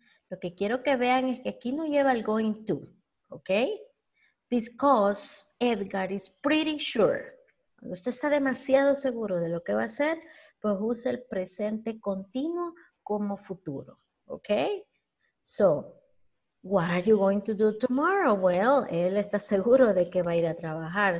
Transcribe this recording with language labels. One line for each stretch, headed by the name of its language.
Spanish: Lo que quiero que vean es que aquí no lleva el going to, okay?
English: Because Edgar is pretty sure.
Spanish: Cuando usted está demasiado seguro de lo que va a hacer, pues usa el presente continuo como futuro, okay?
English: So, what are you going to do tomorrow?
Spanish: Well, él está seguro de que va a ir a trabajar.